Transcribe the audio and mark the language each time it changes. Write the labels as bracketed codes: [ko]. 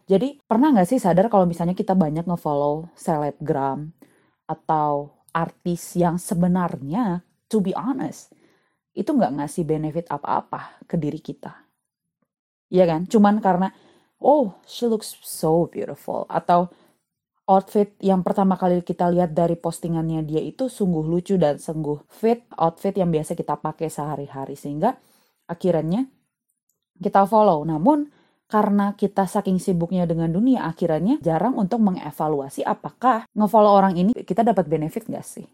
[id] Jadi, pernah nggak sih sadar kalau misalnya kita banyak nge-follow selebgram atau artis yang sebenarnya, [en] to be honest, [id] itu nggak ngasih benefit apa-apa ke diri kita? Iya kan? Cuman karena, [en] oh, she looks so beautiful. [id] Atau outfit yang pertama kali kita lihat dari postingannya dia itu sungguh lucu dan sungguh fit outfit yang biasa kita pakai sehari-hari. Sehingga akhirnya kita follow. Namun karena kita saking sibuknya dengan dunia, akhirnya jarang untuk mengevaluasi apakah nge-follow orang ini kita dapat benefit gak sih?